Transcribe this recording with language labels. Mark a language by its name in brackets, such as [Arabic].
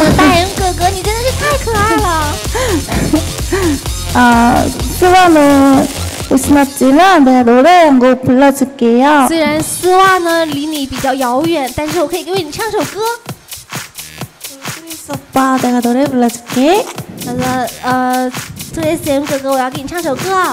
[Chinese] 大人哥哥你真的是太可爱了 [Korean] 아스와는못신었지만내가노래한곡불러줄게요 [Chinese] 虽然丝袜呢离你比较遥远但是我可以为你唱首歌 [Korean] 오빠내가노래불러줄게 [Chinese] 那个SM 哥哥我要给你唱首歌